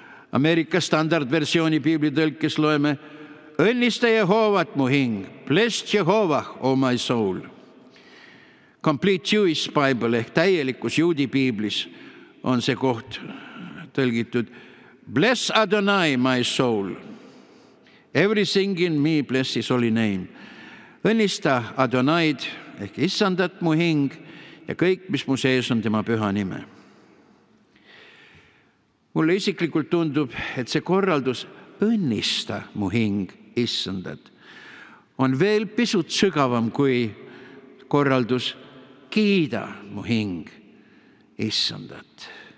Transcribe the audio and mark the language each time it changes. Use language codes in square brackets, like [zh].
[et] Ameerika standardversiooni piibli tõlkes loeme, õnnista Jehovat mu hing, [en] bless Jehovah, oh my soul. [et] Complete Jewish Bible, ehk täielikus juudi piiblis on see koht tõlgitud, [en] bless Adonai, my soul. Everything in me, bless his holy name. [et] Õnnista Adonaid, ehk issandat mu hing ja kõik, mis mu sees on tema püha nime. Mulle isiklikult tundub, et see korraldus õnnista mu hing issandat on veel pisut sügavam kui korraldus kiida mu hing issandat.